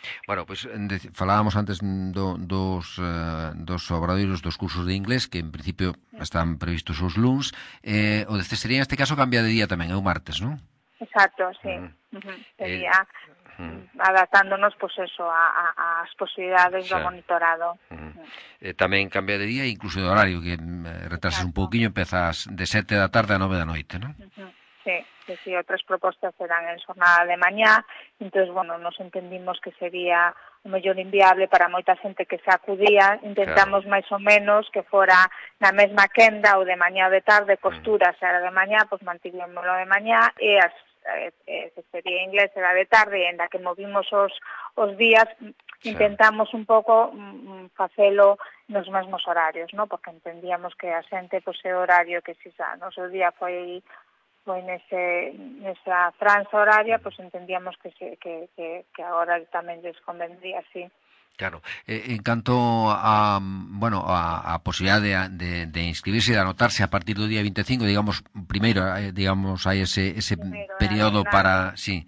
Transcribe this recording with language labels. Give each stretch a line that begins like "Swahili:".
Galician: Bueno, pues falábamos antes dos obradoiros dos cursos de inglés, que en principio están previstos os luns. O de cestería, en este caso, cambia de día tamén, é o martes, ¿no? Exacto, sí. Sería adaptándonos, pues eso, as posibilidades do monitorado. Tamén cambia de día, incluso de horario, que retrasas un pouquinho, empezas de 7 da tarde a 9 da noite, non? Sí, outras propostas serán en xornada de mañá, Entonces, bueno, nos entendimos que sería o mellor inviable para moita xente que se acudía. Intentamos, claro, máis ou menos que fora na mesma quenda ou de mañá ou de tarde, costura, se era de mañá, pois mantivémolo de mañá, e se sería inglés, era de tarde, e en la que movimos os días, intentamos un pouco facelo nos mesmos horarios, ¿no? Porque entendíamos que a xente, pois, é o horario que se xa, no seu día foi...
Spanish: Pues en ese, en esa franja horaria, pues entendíamos que ahora también les convendría, sí. Claro. En cuanto a, bueno, a posibilidad de inscribirse, de anotarse a partir del día 25, digamos, primero, digamos, hay ese primero, periodo para, sí,